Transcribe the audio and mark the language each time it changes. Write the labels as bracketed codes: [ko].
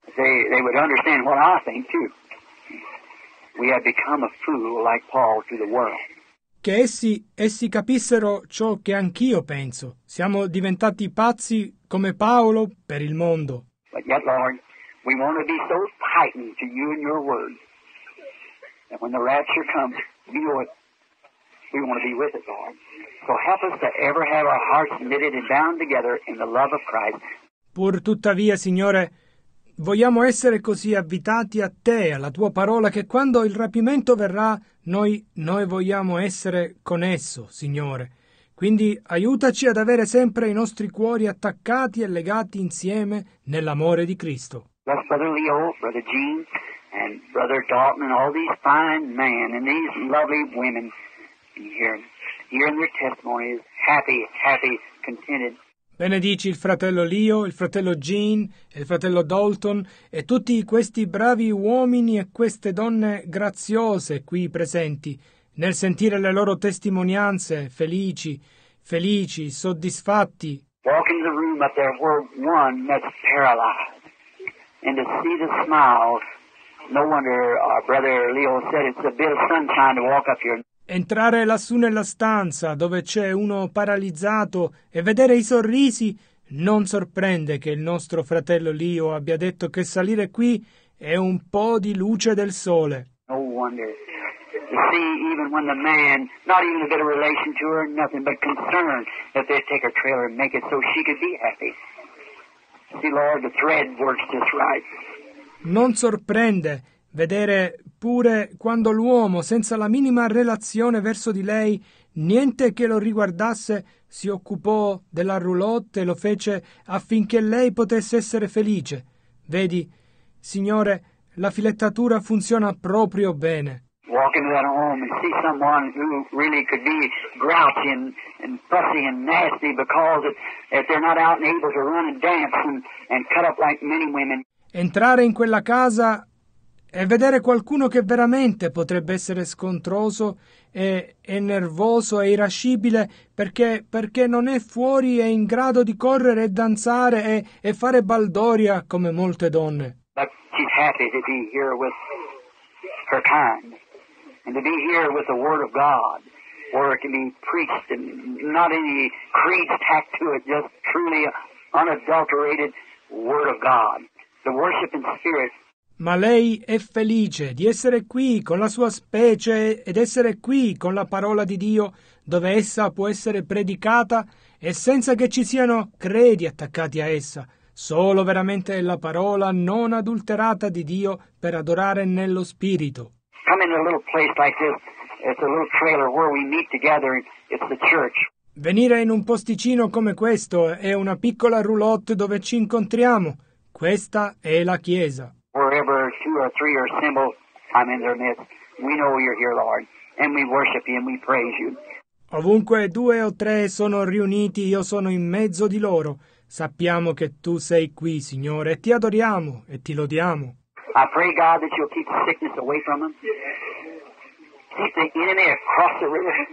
[en] They would understand what I think too. We have become a fool like Paul to the world. [it] Che essi capissero ciò che anch'io penso. Siamo diventati pazzi come Paolo per il mondo. [en] But yet, Lord, We want to be so tightened to you and your word that when the rapture comes, you know it. We want to be with it, Lord. So help us to ever have our hearts knitted and bound together in the love of Christ. [it] Pur tuttavia, Signore, vogliamo essere così avvitati a Te, alla Tua parola, che quando il rapimento verrà, noi vogliamo essere con esso, Signore. Quindi aiutaci ad avere sempre i nostri cuori attaccati e legati insieme nell'amore di Cristo. [en] Bless Brother Leo, Brother Gene, and Brother Dalton, and all these fine men and these lovely women hearing their testimonies, happy, contented. [it] Benedici il fratello Leo, il fratello Gene e il fratello Dalton e tutti questi bravi uomini e queste donne graziose qui presenti nel sentire le loro testimonianze, felici, soddisfatti. [en] Walk in the room up there where one that's paralyzed and to see the smiles, no wonder our brother Leo said it's a bit of sunshine to walk up here. [it] Entrare lassù nella stanza dove c'è uno paralizzato e vedere i sorrisi non sorprende che il nostro fratello Leo abbia detto che salire qui è un po' di luce del sole. [en] No wonder to see even when the man, not even a bit of relation to her, nothing but concern that they take her trailer and make it so she could be happy. See, Lord, the thread works just right. [it] Non sorprende vedere pure quando l'uomo, senza la minima relazione verso di lei, niente che lo riguardasse, si occupò della roulotte e lo fece affinché lei potesse essere felice. Vedi, Signore, la filettatura funziona proprio bene. [en] Walk into that home and see someone who really could be grouchy and fussy and nasty because if they're not out and able to run and dance and cut up like many women. [it] Entrare in quella casa e vedere qualcuno che veramente potrebbe essere scontroso e nervoso e irascibile perché non è fuori e in grado di correre e danzare e fare baldoria come molte donne. [en] But she's happy to be here with her kind and to be here with the Word of God where it can be preached and not any creeds tacked to it, just truly unadulterated Word of God. The worship in spirit. [it] Ma lei è felice di essere qui con la sua specie ed essere qui con la parola di Dio dove essa può essere predicata e senza che ci siano credi attaccati a essa, solo veramente la parola non adulterata di Dio per adorare nello spirito. [en] Come in a little place like this, it's a little trailer where we meet together, it's the church. [it] Venire in un posticino come questo è una piccola roulotte dove ci incontriamo. Questa è la chiesa. [en] Wherever two or three are assembled, I'm in their midst. We know you're here, Lord, and we worship you and we praise you. [it] Ovunque due o tre sono riuniti, io sono in mezzo di loro. Sappiamo che tu sei qui, Signore, e ti adoriamo e ti lodiamo. [en] I pray, God, that you'll keep the sickness away from them. Keep the enemy across the river.